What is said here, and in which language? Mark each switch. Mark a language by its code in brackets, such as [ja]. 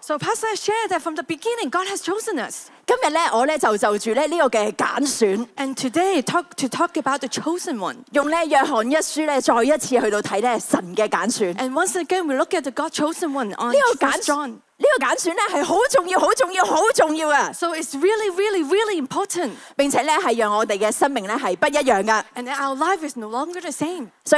[en] So Pastor shared that from the beginning, God has chosen us. [zh] 今天我就就着这个拣选 [en] And today, to talk about the chosen one [zh] 用约翰一书再一次去看神的拣选 [en] And once again, we look at the God chosen one on [zh] 这个拣, [en] First John [zh] 这个拣选是很重要的 [en] So it's really, really, really important [zh] 并且是让我们的生命不一样的 [en] And our life is no longer the same